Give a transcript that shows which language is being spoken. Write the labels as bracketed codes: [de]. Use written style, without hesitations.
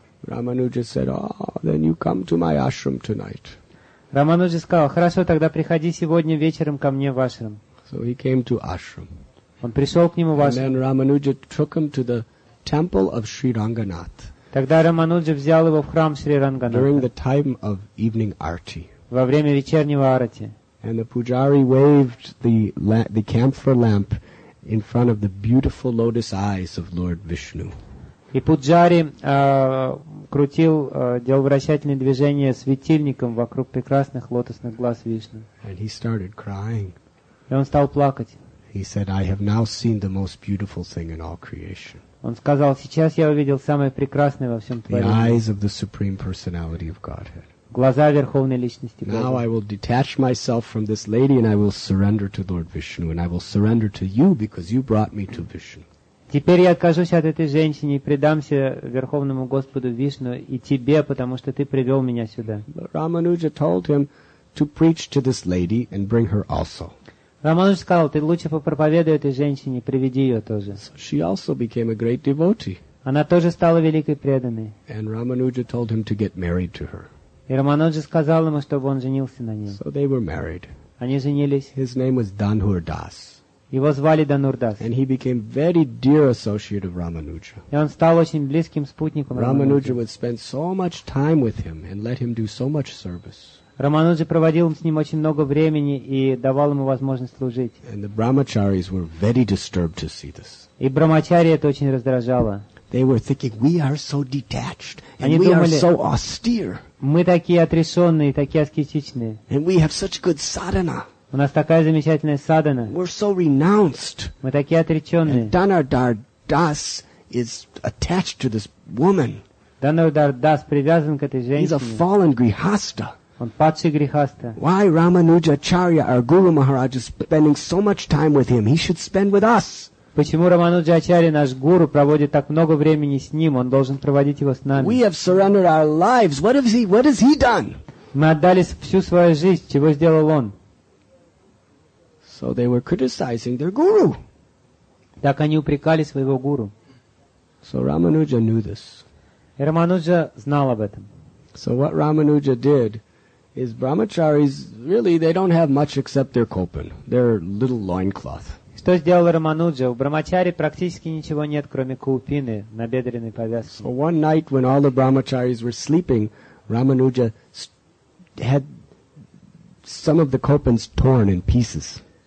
[en] Рамануджа said, oh, then you come to my ashram tonight. [ru] Рамануджа сказал, хорошо, тогда приходи сегодня вечером ко мне в ашрам. [en] So he came to ashram. [ru] Он пришел к нему в ашрам. [en] And then Рамануджа took him to the temple of Sri Ranganath. [ru] Тогда Рамануджа взял его в храм Шри Ранганатха. [en] During the time of evening arti. [ru] Во время вечернего арати. [en] And the pujari waved the camphor lamp in front of the beautiful lotus eyes of Lord Vishnu. [ru] И пуджари крутил, делал вращательные движения светильником вокруг прекрасных лотосных глаз Вишну. [en] And he started crying. [ru] И он стал плакать. [en] He said, "I have now seen the most beautiful thing in all creation." [ru] Он сказал, сейчас я увидел самое прекрасное во всем творении. [en] The eyes of the supreme personality of Godhead. [ru] Глаза Верховной Личности Бога. [en] Now I will detach myself from this lady and I will surrender to Lord Vishnu and I will surrender to you because you brought me to Vishnu. [ru] Теперь я откажусь от этой женщины и предамся Верховному Господу Вишну и тебе, потому что ты привел меня сюда. [en] Рамануджа told him to preach to this lady and bring her also. [ru] Рамануджа сказал, ты лучше попроповедуй этой женщине, приведи ее тоже. [en] So she also became a great devotee. [ru] Она тоже стала великой преданной. [en] And Рамануджа told him to get married to her. [ru] И Рамануджа сказал ему, чтобы он женился на ней. [en] So they were married. [ru] Они женились. [en] His name was Dhanur Das. [ru] Его звали Dhanur Das. [en] And he became very dear associate of Ramanuja. [ru] И он стал очень близким спутником Рамануджи. [en] Ramanuja would spend so much time with him and let him do so much service. [ru] Рамануджа проводил с ним очень много времени и давал ему возможность служить. [en] And the brahmacharis were very disturbed to see this. [ru] И брахмачари это очень раздражало. [en] They were thinking, we are so detached, and we are so austere. [ru] Мы такие отрешенные, такие аскетичные. [en] And we have such good sadhana. [ru] У нас такая замечательная садхана. [en] We're so renounced. [ru] Мы такие отреченные. [en] And Dhanur Das is attached to this woman. [ru] Dhanur Das привязан к этой женщине. [en] He's a fallen grihastha. [ru] Он падший грехаста. [en] Why Рамануджачарья, our Guru Maharaj, is spending so much time with him? He should spend with us. [ru] Почему Рамануджачарья, наш гуру, проводит так много времени с ним? Он должен проводить его с нами. [en] We have surrendered our lives. What has he done? [ru] Мы отдали всю свою жизнь. Чего сделал он? [en] So they were criticizing their guru. [ru] Так они упрекали своего гуру. [en] So Рамануджа knew this. [ru] И Рамануджа знал об этом. [en] So what Рамануджа did is brahmacharis, really, they don't have much except their kopan, their little loincloth. [ru] Что сделал Рамануджа? У брахмачари практически ничего нет, кроме каупины, набедренной повязки. [en] So one night when all the brahmacharis were sleeping, Рамануджа had some of the kopans torn in pieces.